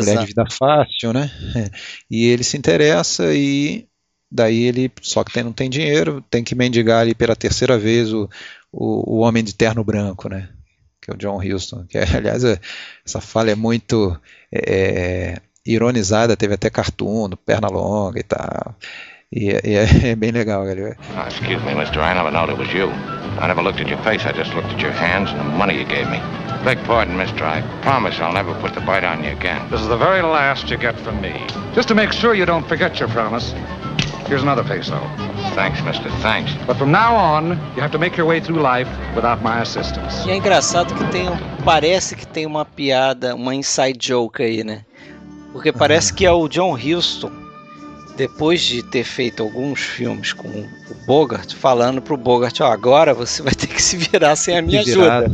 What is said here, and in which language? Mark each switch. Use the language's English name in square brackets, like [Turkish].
[Portuguese] mulher de vida fácil, né, e ele se interessa e daí ele, só que não tem dinheiro, tem que mendigar ali pela terceira vez o homem de terno branco, né, que é o John Huston, que aliás essa fala é muito ironizada, teve até cartoon do Pernalonga e tal, e é bem legal, galera. [English] Oh, excuse me, Mr. I never knowed it was you. I never looked at your face, I just looked at your hands and the money you gave me. Beg pardon, Mr. I promise I'll never put the bite on you again. This is the very last you get from me. Just to make sure you don't forget your promise, here's another peso. Thanks, Mr. Thanks. But from now on, you have to make your way through life without my assistance. [Portuguese] E é engraçado que parece que tem uma piada, uma inside joke aí, né? Porque parece que é o John Huston, depois de ter feito alguns filmes com o Bogart, falando pro Bogart, agora você vai ter que se virar sem a minha ajuda.